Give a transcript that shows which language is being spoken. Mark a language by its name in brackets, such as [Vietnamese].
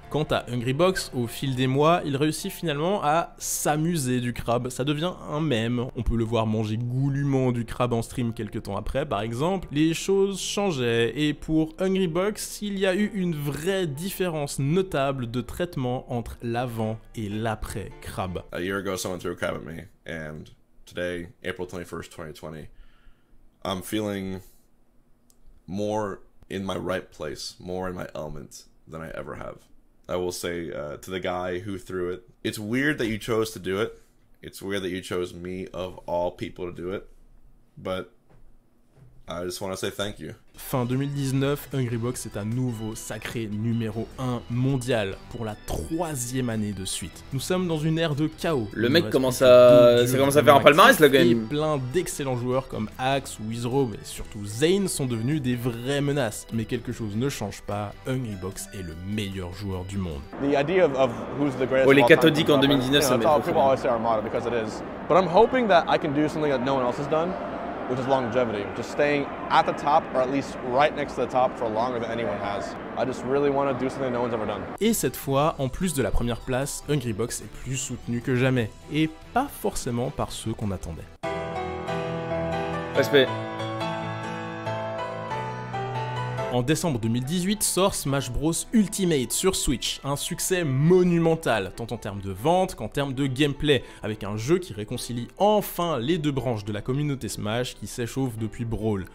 [French] Quant à Hungrybox, au fil des mois, il réussit finalement à s'amuser du crabe, ça devient un mème. On peut le voir manger goulûment du crabe en stream quelques temps après, par exemple. Les choses changeaient, et pour Hungrybox, il y a eu une vraie différence notable de traitement entre l'avant et l'après crabe. [English] A year ago, someone threw a crab at me, and today, April 21st, 2020, I'm feeling more in my right place, more in my element than I ever have. I will say to the guy who threw it, it's weird that you chose to do it. It's weird that you chose me of all people to do it. But I just want to say thank you. [French] Fin 2019, Hungrybox est à nouveau sacré numéro 1 mondial pour la troisième année de suite. Nous sommes dans une ère de chaos. Le mec commence à... Ça commence à faire un palmarès là quand même. Plein d'excellents joueurs comme Axe, Wizro, mais surtout Zane sont devenus des vraies menaces. Mais quelque chose ne change pas, Hungrybox est le meilleur joueur du monde. [English] The idea of who's the greatest, [French] oh, les cathodiques en 2019, [English] you know, [French] ça m'est trop. [English] People always say Armada because it is. But I'm hoping that I can do something that no one else has done. Which is longevity, just staying at the top or at least right next to the top for longer than anyone has. I just really want to do something no one's ever done. [French] Et cette fois, en plus de la première place, Hungrybox est plus soutenu que jamais, et pas forcément par ceux qu'on attendait. Respect. En décembre 2018, sort Smash Bros Ultimate sur Switch, un succès monumental, tant en termes de vente qu'en termes de gameplay, avec un jeu qui réconcilie enfin les deux branches de la communauté Smash qui s'échauffent depuis Brawl.